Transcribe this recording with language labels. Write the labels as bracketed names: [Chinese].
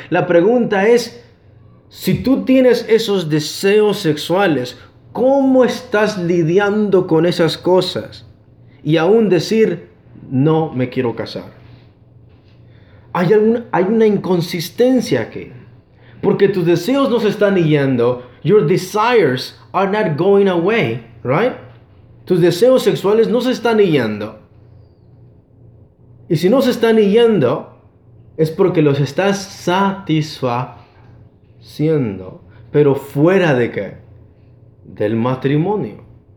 [Spanish] La pregunta es, si tú tienes esos deseos sexuales, ¿cómo estás lidiando con esas cosas? Y aún decir, no me quiero casar. Hay una inconsistencia aquí. Porque tus deseos no se están yendo. [English] Your desires are not going away, right? [Spanish] Tus deseos sexuales no se están yendo. Y si no se están yendo, es porque los estás satisfaciendo. ¿Pero fuera de qué? Del matrimonio.